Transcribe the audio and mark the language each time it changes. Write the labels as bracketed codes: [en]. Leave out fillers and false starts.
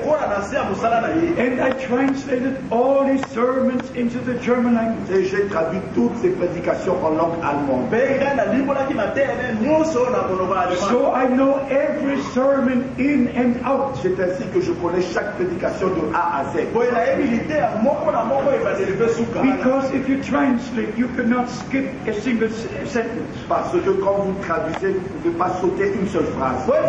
[en] And I translated all his sermons into the German language. [fr] Et j'ai traduit toutes ses prédications en langue allemande. [en] So I know every sermon in and out. [fr] C'est ainsi que je connais chaque prédication de A à Z. [en] Because if you translate, you cannot skip a single sentence. [fr] Parce que quand vous traduisez, vous ne pouvez pas sauter une seule phrase.